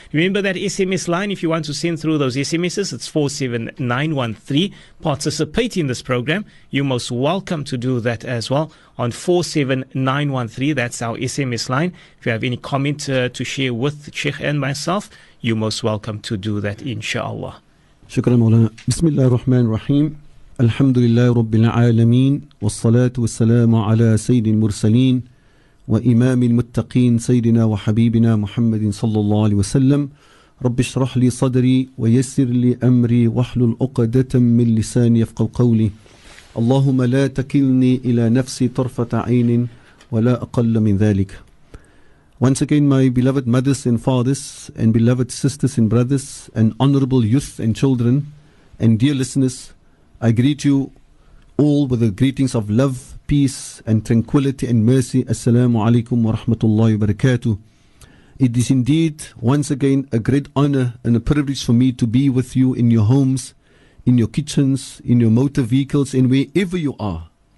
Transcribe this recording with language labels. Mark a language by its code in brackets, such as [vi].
[en] Remember that SMS line, if you want to send through those SMSs, it's 47913. Participate in this program. You're most welcome to do that as well on 47913. That's our SMS line. If you have any comment to share with Sheikh and myself, you're most welcome to do that, inshallah. [ar] Shukran, Maulana. Bismillah ar-Rahman ar-Rahim. الحمد لله رب العالمين والصلاة والسلام على سيد المرسلين وإمام المتقين سيدنا وحبيبنا محمد صلى الله عليه وسلم رب اشرح لي صدري ويسر لي أمري واحلل عقدة من لساني يفقهوا قولي اللهم لا تكلني إلى نفسي طرفة عين ولا أقل من ذلك. [en] Once again, my beloved mothers and fathers and beloved sisters and brothers and honorable youth and children and dear listeners, I greet you all with the greetings of love, peace, and tranquility and mercy. Assalamu alaikum wa rahmatullahi wa barakatuh. It is indeed, once again, a great honor and a privilege for me to be with you in your homes, in your kitchens, in your motor vehicles, and wherever you are.